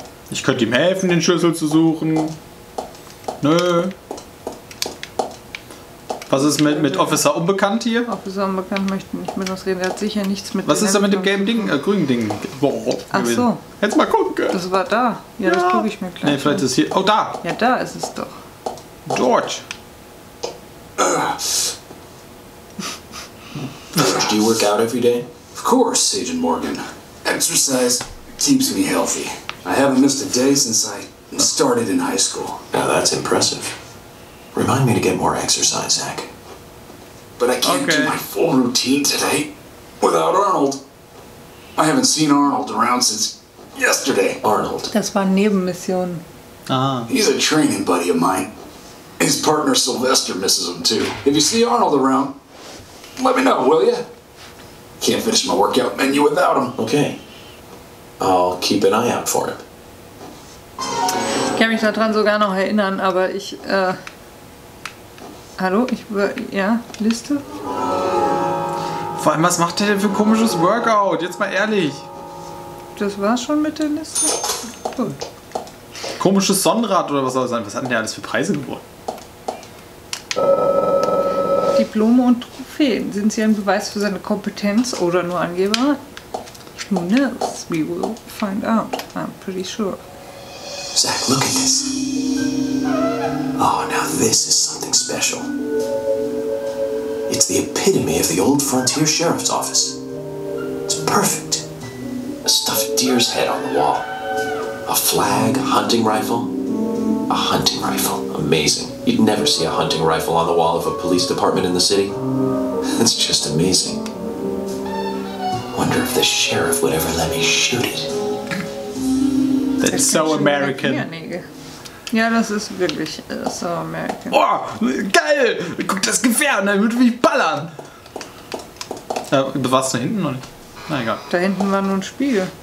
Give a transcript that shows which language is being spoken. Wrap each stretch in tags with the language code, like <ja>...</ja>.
<de>Ich könnte ihm helfen, den Schlüssel zu suchen. Nö. Was ist mit Officer Unbekannt hier? Officer Unbekannt möchte nicht mit uns reden. Er hat sicher nichts mit. Was ist da mit dem gelben Ding, grünen Ding? Boah, ach gewesen. So. Jetzt mal gucken. Das war da. Ja, das gucke ich mir gleich. Nee, vielleicht ist hier. Oh, da. Ja, da ist es doch. George.</de> <en>Do you work out every day? Of course, Agent Morgan. Exercise keeps me healthy. I haven't missed a day since I started in high school. Now that's impressive. Remind me to get more exercise, Zach. But I can't do my full routine today without Arnold. I haven't seen Arnold around since yesterday. Arnold.</en> <de>Das war Nebenmission.</de> <en>He's a training buddy of mine. His partner Sylvester misses him too. If you see Arnold around, let me know, will ya? Can't finish my workout menu without him. Okay. I'll keep an eye out for him.</en> <de>Ich kann mich daran sogar noch erinnern, aber ich, Hallo, ich war, ja, Liste? Vor allem, was macht der denn für ein komisches Workout? Jetzt mal ehrlich. Das war's schon mit der Liste? Gut. Komisches Sonnenrad oder was soll das sein? Was hat denn der alles für Preise gewonnen? Diplome und Trophäen. Sind sie ein Beweis für seine Kompetenz oder nur Angeber?</de> <en>Who knows? We will find out. I'm pretty sure. Zach, look at this. Oh, now this is something special. It's the epitome of the old Frontier Sheriff's office. It's perfect. A stuffed deer's head on the wall. A flag, a hunting rifle. A hunting rifle. Amazing. You'd never see a hunting rifle on the wall of a police department in the city. That's just amazing. Wonder if the sheriff would ever let me shoot it. That's so American.</en> <de>Ja, das ist wirklich so American. Boah, geil! Guck das Gefährt, dann würde mich ballern! Warst du da hinten noch nicht? Na egal. Da hinten war nur ein Spiegel.</de>